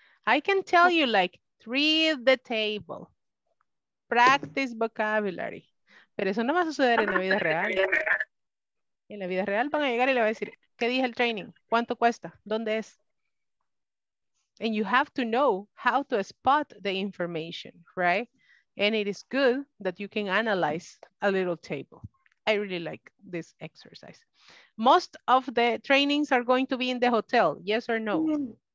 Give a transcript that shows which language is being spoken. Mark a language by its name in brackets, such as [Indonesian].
[English] I can tell you, like, read the table, practice vocabulary. [Spanish] Pero eso no va a suceder en la vida real. En la vida real van a llegar y le va a decir, ¿qué dije el training? ¿Cuánto cuesta? ¿Dónde es? [English] And you have to know how to spot the information, right? And it is good that you can analyze a little table. I really like this exercise. Most of the trainings are going to be in the hotel. Yes or no?